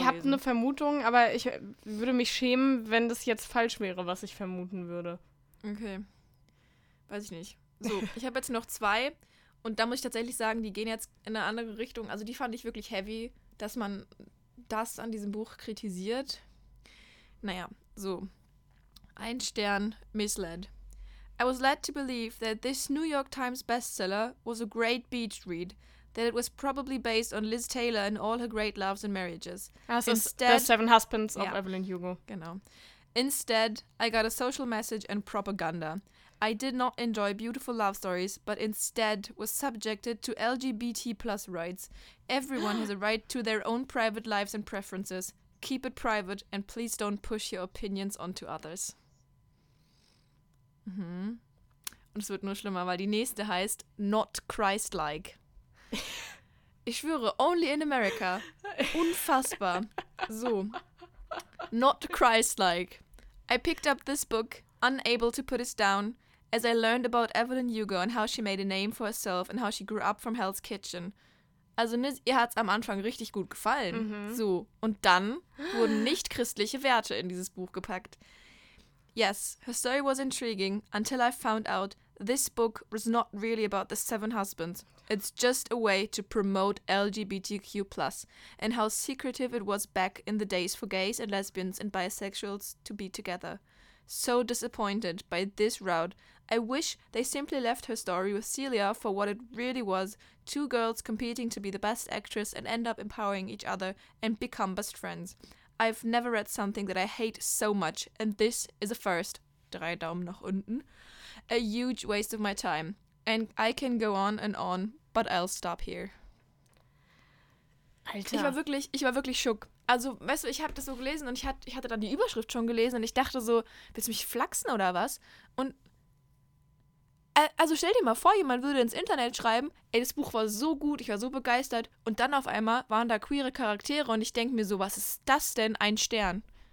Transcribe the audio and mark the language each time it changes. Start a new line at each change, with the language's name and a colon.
German: Ich habe eine Vermutung, aber ich würde mich schämen, wenn das jetzt falsch wäre, was ich vermuten würde. Okay. Weiß ich nicht. So, ich habe jetzt noch zwei. Und da muss ich tatsächlich sagen, die gehen jetzt in eine andere Richtung. Also die fand ich wirklich heavy, dass man das an diesem Buch kritisiert. Naja, so. Ein Stern, misled.
English: I was led to believe that this New York Times bestseller was a great beach read. That it was probably based on Liz Taylor and all her great loves and marriages. Also instead, The Seven Husbands of Evelyn Hugo.
German: Genau.
English: Instead, I got a social message and propaganda. I did not enjoy beautiful love stories, but instead was subjected to LGBT plus rights. Everyone has a right to their own private lives and preferences. Keep it private and please don't push your opinions onto others.
German: Mhm. Und es wird nur schlimmer, weil die nächste heißt Not Christ-like. Ich schwöre,
English: only in America.
German: Unfassbar. So.
English: Not Christ-like. I picked up this book, unable to put it down, as I learned about Evelyn Hugo and how she made a name for herself and how she grew up from Hell's Kitchen.
German: Also, ihr hat's am Anfang richtig gut gefallen. Mhm. So. Und dann wurden nicht-christliche Werte in dieses Buch gepackt.
English: Yes, her story was intriguing until I found out this book was not really about the seven husbands. It's just a way to promote LGBTQ+, and how secretive it was back in the days for gays and lesbians and bisexuals to be together. So disappointed by this route. I wish they simply left her story with Celia for what it really was, two girls competing to be the best actress and end up empowering each other and become best friends. I've never read something that I hate so much, and this is a first.
German: Drei Daumen nach unten.
English: A huge waste of my time. And I can go on, but I'll stop here.
German: Alter. Ich war wirklich schock. Also, weißt du, ich habe das so gelesen und ich hatte dann die Überschrift schon gelesen und ich dachte so, willst du mich flachsen oder was? Und, also stell dir mal vor, jemand würde ins Internet schreiben, ey, das Buch war so gut, ich war so begeistert und dann auf einmal waren da queere Charaktere und ich denke mir so, was ist das denn, ein Stern?